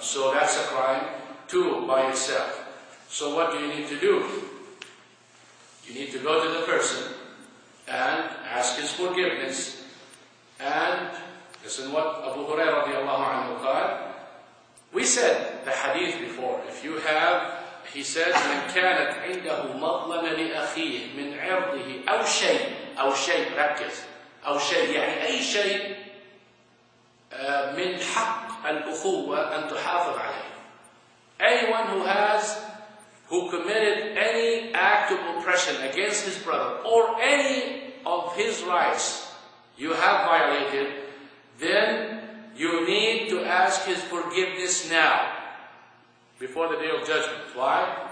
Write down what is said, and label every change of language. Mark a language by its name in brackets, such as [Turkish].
[English] So that's a crime. Two, by itself. So what do you need to do? You need to go to the person and ask his forgiveness. And listen what Abu Hurairah radiallahu anhu said. We said the hadith before. If you have, he said, [Arabic] من كانت عنده مظلمة لأخيه من عرضه أو شيء ركز أو شيء يعني أي شيء من حق الأخوة أن تحافظ عليه. [English] Anyone who committed any act of oppression against his brother or any of his rights you have violated, then you need to ask his forgiveness now, before the day of judgment. Why?